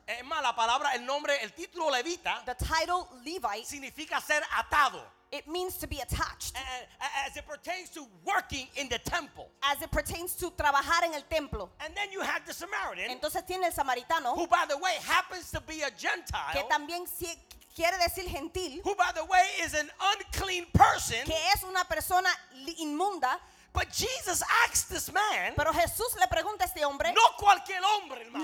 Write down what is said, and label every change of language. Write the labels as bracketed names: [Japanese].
[Spanish] Es más, la palabra, el nombre, el título levita, [English] the title Levite, [Spanish] significa ser atado. [English] It means to be attached. As it pertains to working in the temple. As it pertains to [Spanish] trabajar en el templo. [English] And then you have the Samaritan. [Spanish] Entonces tiene el samaritano. [English] Who, by the way, happens to be a Gentile. [Spanish] Que también quiere decir gentil. [English] Who, by the way, is an unclean person. [Spanish] Que es una persona inmunda. [English] But Jesus asked this man. [Spanish] Pero Jesús le pregunta a este hombre. No cualquier hombre, hermano.